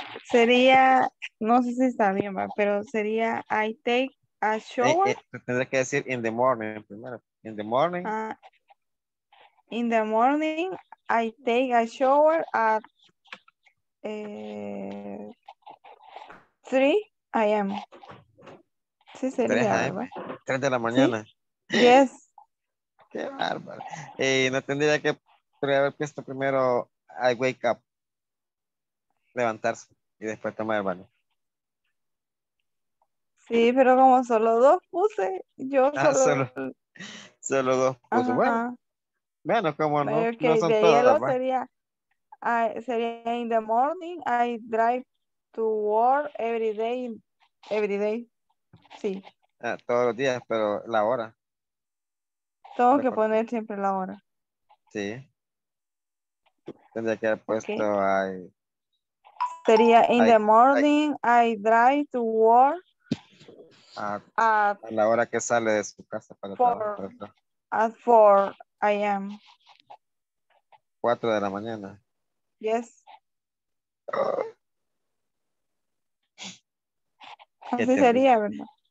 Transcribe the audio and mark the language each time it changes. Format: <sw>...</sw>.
<es>Sería, no sé si está bien, pero sería</es> <en>I take a shower.</en> <es>Tendré que decir</es> <en>in the morning</en> <es>primero.</es> <en>In the morning. In the morning, I take a shower at 3 a.m.</en> <es>Sí, sería. 3 de la mañana. ¿Sí?</es> <en>Yes.</en> <es>Qué bárbaro. No tendría que haber puesto primero</es> <en>I wake up.</en> <es>Levantarse y después tomar el baño. Sí, pero como solo dos puse, yo solo. Solo dos puse. Ajá. Bueno, como no, okay, no son todas.</es> <en>Yellow</en> <es>sería</es> <en>in the morning, I drive to work every day. Every day.</en> <es>Sí. Todos los días, pero la hora. Tengo que poner siempre la hora. Sí. Tendría que haber puesto ahí. Okay. Sería</es> <en>in the morning, I drive to work.</en> <es>A la hora que sale de su casa para trabajar.</es> <en>At 4 a.m.</en> <es>4 de la mañana.</es> <en>Yes.</en> <es>Así sería, ¿verdad?</es>